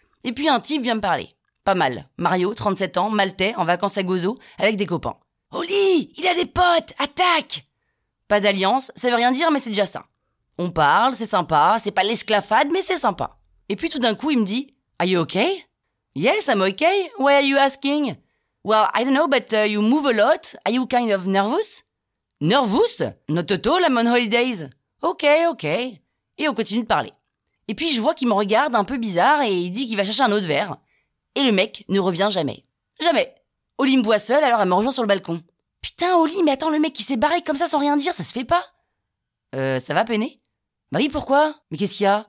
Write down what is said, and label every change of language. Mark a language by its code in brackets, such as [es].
[fr] Et puis un type vient me parler. Pas mal. Mario, 37 ans, maltais, en vacances à Gozo, avec des copains. Oli, il a des potes, attaque! Pas d'alliance, ça veut rien dire, mais c'est déjà ça. On parle, c'est sympa, c'est pas l'esclavade, mais c'est sympa. Et puis tout d'un coup, il me dit, [en] are you okay? Yes, I'm okay. Why are you asking? Well, I don't know, but you move a lot. Are you kind of nervous? Nervous? Not at all, I'm on holidays. Okay, okay. [fr] Et on continue de parler. Et puis je vois qu'il me regarde un peu bizarre et il dit qu'il va chercher un autre verre. Et le mec ne revient jamais. Jamais. Oli me voit seule, alors elle me rejoint sur le balcon. Putain, Oli, mais attends, le mec qui s'est barré comme ça sans rien dire, ça se fait pas? Ça va peiner? Bah oui, pourquoi? Mais qu'est-ce qu'il y a?